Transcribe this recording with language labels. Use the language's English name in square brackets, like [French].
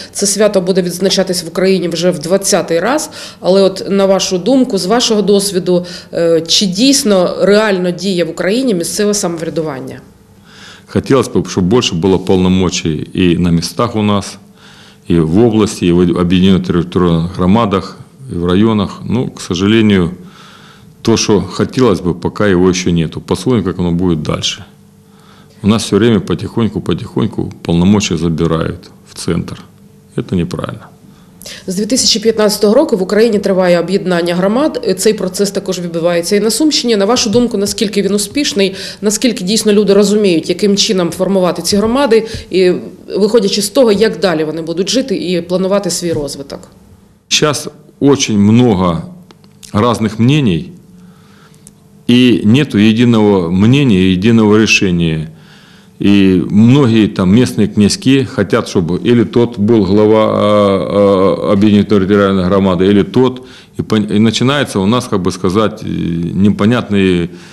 [Ukrainian] Це свято буде відзначатись в Україні вже в 20-й раз. Але от на вашу думку, з вашого досвіду, чи дійсно реально діє в Україні місцеве самоврядування? Хотілося б, щоб більше було повномочий і на містах у нас, і в області, і в об'єднаних територіальних громадах, і в районах. [Russian] Ну, к сожалению, [Ukrainian] то, що хотілося б, поки його ще нету. [Russian] Посмотрим, [Ukrainian] як воно буде далі. [Russian] У нас все время потихоньку полномочия забирают в центр. Это неправильно. [Ukrainian] З 2015 року в Україні триває об'єднання громад. Цей процес також відбувається і на Сумщині. На вашу думку, наскільки він успішний? Наскільки дійсно люди розуміють, яким чином формувати ці громади? І виходячи з того, як далі вони будуть жити і планувати свій розвиток? Зараз дуже багато різних мнений. [Russian] И нету единого мнения, единого решения. И многие там местные князьки хотят, чтобы или тот был глава объединенной территориальной громады, или тот. И начинается у нас, как бы сказать, непонятный...